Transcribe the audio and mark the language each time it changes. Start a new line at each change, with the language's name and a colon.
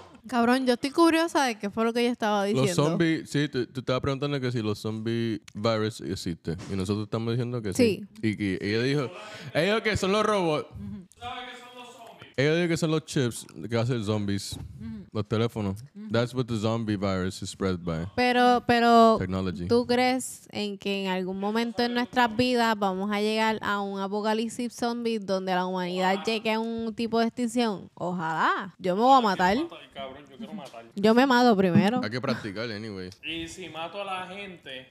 Spanish: Cabrón, yo estoy curiosa de qué fue lo que ella estaba diciendo. Los zombies, sí, tú estabas preguntando que si los zombie virus existe. Y nosotros estamos diciendo que sí. Sí. Y que ella dijo, que son los robots. Ella dice que son los chips que hacen zombies. Los teléfonos.
English: That's what the zombie virus is spread by.
Spanish: Pero technology. ¿Tú crees en que en algún momento en nuestras vidas vamos a llegar a un apocalipsis zombie donde la humanidad llegue a un tipo de extinción? Ojalá. Yo me voy a matar. Yo quiero matar. Yo me mato primero. Hay que practicar, anyway. Y si mato a la gente...